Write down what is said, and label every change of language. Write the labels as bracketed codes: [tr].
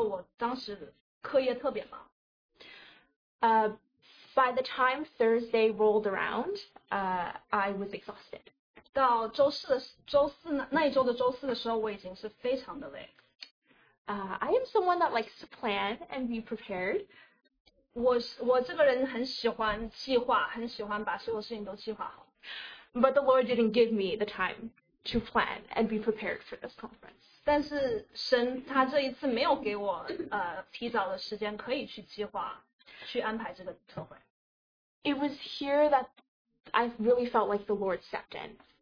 [zh] 特会之前的前一周，我当时课业特别忙。 [en] By the time Thursday rolled around, I was exhausted. [zh] 到周四的时候，我已经是非常的累。 [en] I am someone that likes to plan and be prepared. [zh] 我这个人很喜欢计划，很喜欢把所有事情都计划好。 [en] But the Lord didn't give me the time to plan and be prepared for this conference. [zh] 但是神他这一次没有给我提早的时间可以去计划，去安排这个特会。 [en] It was here that I really felt like the Lord stepped in.